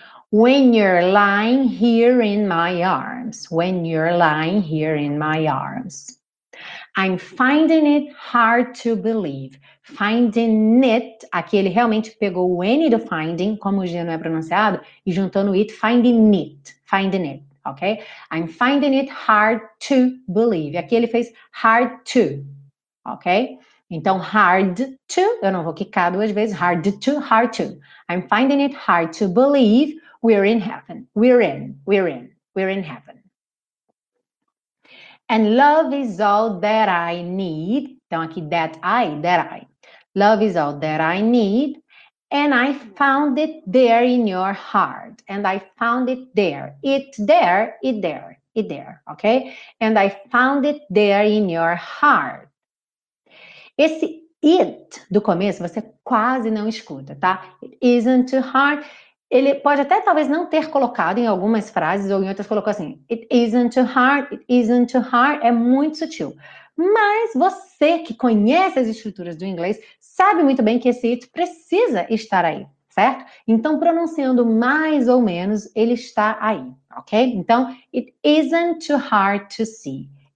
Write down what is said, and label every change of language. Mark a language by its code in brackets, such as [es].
[en] When you're lying here in my arms. When you're lying here in my arms. I'm finding it hard to believe. [pt] Finding it, aqui ele realmente pegou o N do finding, como o G não é pronunciado, e juntou no it, finding it, ok? [en] I'm finding it hard to believe. [pt] Aqui ele fez hard to, ok? Então, hard to, eu não vou quicar duas vezes, hard to, hard to. [en] I'm finding it hard to believe we're in heaven. We're in, we're in, we're in heaven. And love is all that I need. [pt] Então, aqui, [en] that I. Love is all that I need. And I found it there in your heart. And I found it there. It there. Okay? And I found it there in your heart. [pt] Esse it do começo, você quase não escuta, tá? [en] It isn't too hard. [pt] Ele pode até talvez não ter colocado em algumas frases ou em outras, colocou assim. It isn't too hard. It isn't too hard. É muito sutil. Mas você que conhece as estruturas do inglês sabe muito bem que esse it precisa estar aí, certo? Então, pronunciando mais ou menos, ele está aí, ok? [en] Então, it isn't too hard to see.